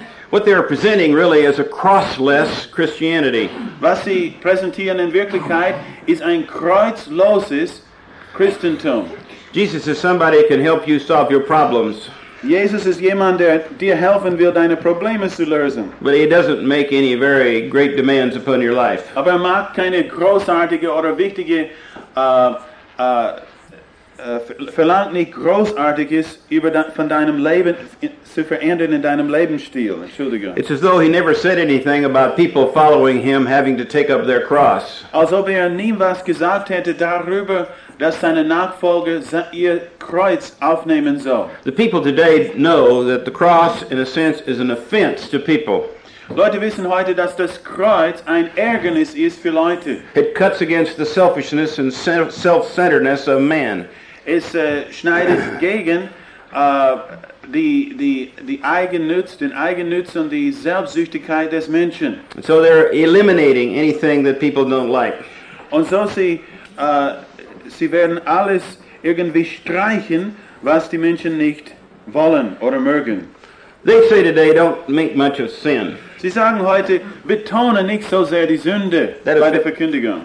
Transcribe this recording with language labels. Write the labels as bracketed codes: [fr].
[en] What they are presenting really is a crossless Christianity. [de] Was sie präsentieren in Wirklichkeit ist ein kreuzloses Christentum. [en] Jesus is somebody who can help you solve your problems. [de] Jesus ist jemand, der dir helfen will, deine Probleme zu lösen. [en] But he doesn't make any very great demands upon your life. [de] Aber er macht keine großartige oder wichtige verlangt nicht großartiges über von deinem Leben zu verändern in deinem Lebensstil. Entschuldigung. [en] It's as though he never said anything about people following him having to take up their cross. [de] Als ob er nie was gesagt hätte darüber, dass seine Nachfolger ihr Kreuz aufnehmen soll. [en] The people today know that the cross, in a sense, is an offense to people. [de] Leute wissen heute, dass das Kreuz ein Ärgernis ist für Leute. [en] It cuts against the selfishness and self-centeredness of man. [de] Es schneidet gegen die Eigennutz und die Selbstsüchtigkeit des Menschen. [en] So they're eliminating anything that people don't like. [de] Und so sie werden alles irgendwie streichen, was die Menschen nicht wollen oder mögen. [en] They say today, don't make much of sin. [de] Sie sagen heute, betone nicht so sehr die Sünde bei der Verkündigung.